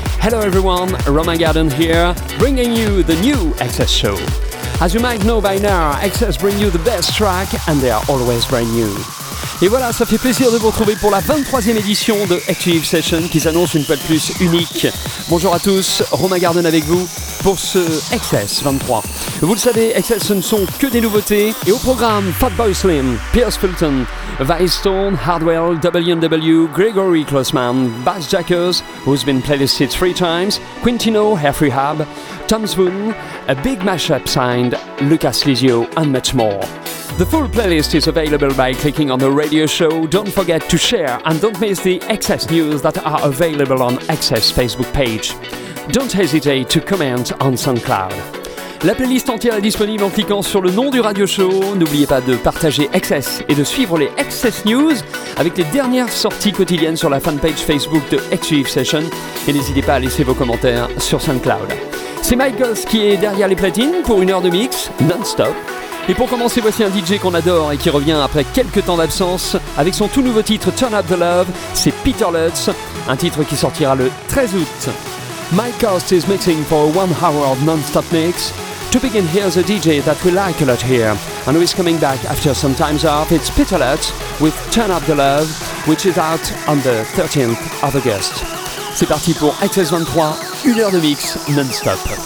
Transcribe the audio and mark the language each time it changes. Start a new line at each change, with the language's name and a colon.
English: Hello everyone, Roma Garden here, bringing you the new Excess Show. As you might know by now, Excess bring you the best track and they are always brand new.
French: Et voilà, ça fait plaisir de vous retrouver pour la 23e édition de Exclusive Session qui s'annonce une fois de plus unique. Bonjour à tous, Romain Garden avec vous pour ce Excess 23. Vous le savez, Excess ce ne sont que des nouveautés et au programme Fatboy Slim, Pierce Fulton, Vistone, Hardwell, WMW, Gregory Klossman, Bass Jackers,
English: who's been playlisted 3 times,
French: Quintino, Airfree Hub, Tom Swoon,
English: a big mashup signed,
French: Lucas Lizio
English: and much more. The full playlist is available by clicking on the radio show. Don't forget to share and don't miss the Excess news that are available on Excess Facebook page. Don't hesitate to comment on SoundCloud.
French: La playlist entière est disponible en cliquant sur le nom du radio show. N'oubliez pas de partager Excess et de suivre les Excess News avec les dernières sorties quotidiennes sur la fanpage Facebook de Exclusive Session. Et n'hésitez pas à laisser vos commentaires sur SoundCloud. C'est Mike Goss qui est derrière les platines pour une heure de mix non-stop. Et pour commencer, voici un DJ qu'on adore et qui revient après quelques temps d'absence avec son tout nouveau titre Turn Up The Love, c'est Peter Lutz, un titre qui sortira le 13 août.
English: Mike Cost is mixing for a 1 hour of non-stop mix. To begin, here's a DJ that we like a lot here and who is coming back after some time's off. It's Peter Lutz with Turn Up The Love, which is out on the 13th of August.
French: C'est parti pour Excess 23, une heure de mix non-stop.